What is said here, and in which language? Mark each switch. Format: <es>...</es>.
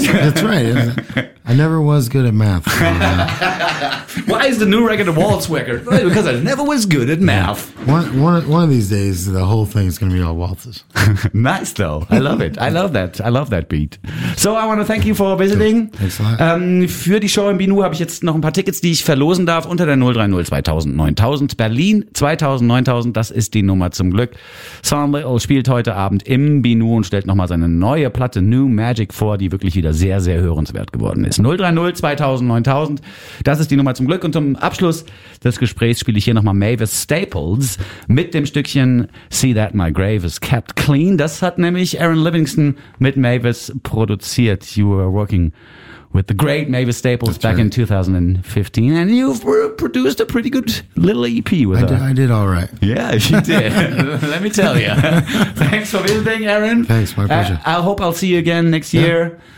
<en>That's right. I never was good at math. Why is the new record a waltz record? Because I never was good at math. One of these days, the whole thing is gonna be all waltzes. Nice though. I love it. I love that beat. So I want to thank you for visiting. Thanks a lot.</en> <de>Für die Show in Binu habe ich jetzt noch ein paar Tickets, die ich verlosen darf unter der 030-2000-9000. Berlin 2000-9000, das ist die Nummer zum Glück. Sean Little spielt heute Abend im Binu und stellt nochmal seine neue Platte New Magic vor, die wirklich wieder sehr, sehr hörenswert geworden ist. 030-2000-9000, das ist die Nummer zum Glück. Und zum Abschluss des Gesprächs spiele ich hier nochmal Mavis Staples mit dem Stückchen See That My Grave Is Kept Clean. Das hat nämlich Aaron Livingston mit Mavis produziert.</de> <en>You were working with the great Mavis Staples in 2015, and you've produced a pretty good little EP with her. I did all right. Yeah, she did. Let me tell you. Thanks for visiting, Aaron. Thanks, my pleasure. I hope I'll see you again next year.</en>